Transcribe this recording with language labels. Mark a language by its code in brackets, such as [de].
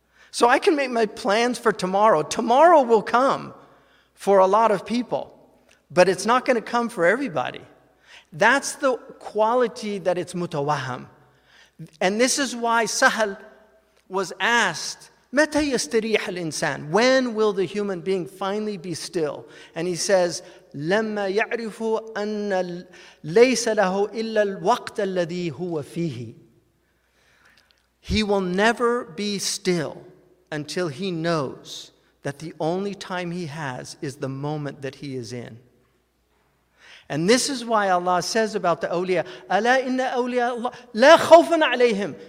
[en] So I can make my plans for tomorrow. Tomorrow will come for a lot of people, but it's not going to come for everybody. That's the quality that it's mutawaham. And this is why Sahal was asked, [ar] مَتَى يَسْتَرِيحَ الْإِنسَانِ. [en] When will the human being finally be still? And he says, [ar] لَمَّا يَعْرِفُ أَنَّ لَيْسَ لَهُ إِلَّا الْوَقْتَ الَّذِي هُوَ فِيهِ. [en] He will never be still until he knows that the only time he has is the moment that he is in. And this is why Allah says about the awliya, [ar] أَلَا إِنَّ أَوْلِيَا اللَّهِ لَا خَوْفٌ عَلَيْهِمْ.